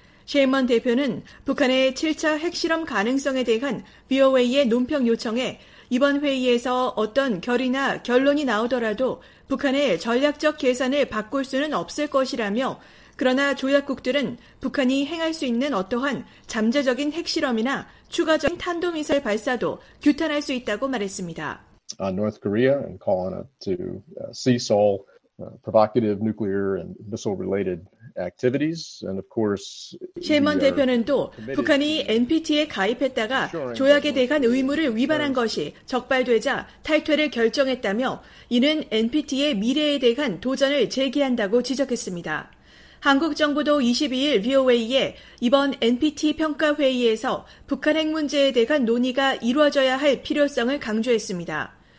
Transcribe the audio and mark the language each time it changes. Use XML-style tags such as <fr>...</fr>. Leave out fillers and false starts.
<ko>셰이먼 대표는 북한의 7차 핵실험 가능성에 대한 VOA의 논평 요청에 이번 회의에서 어떤 결의나 결론이 나오더라도 북한의 전략적 계산을 바꿀 수는 없을 것이라며 그러나 조약국들은 북한이 행할 수 있는 어떠한 잠재적인 핵실험이나 추가적인 탄도미사일 발사도 규탄할 수 있다고 말했습니다.</ko> <en>North Korea and call on it to cease all provocative nuclear and missile related activities. And of course,</en> <ko>셰먼 대표는 또 북한이 NPT에 가입했다가 조약에 대한 의무를 위반한 것이 적발되자 탈퇴를 결정했다며 이는 NPT의 미래에 대한 도전을 제기한다고 지적했습니다. 한국 정부도 22일 VOA에 이번 NPT 평가회의에서 북한 핵 문제에 대한 논의가 이루어져야 할 필요성을 강조했습니다.</ko>